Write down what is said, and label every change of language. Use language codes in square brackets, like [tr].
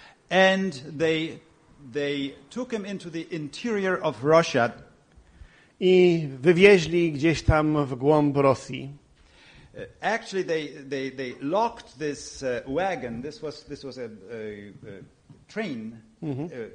[en] And they took him into the interior of Russia. [pl] I wywieźli gdzieś tam w głąb Rosji. [en] Actually they locked this wagon. This was a train. Mm-hmm.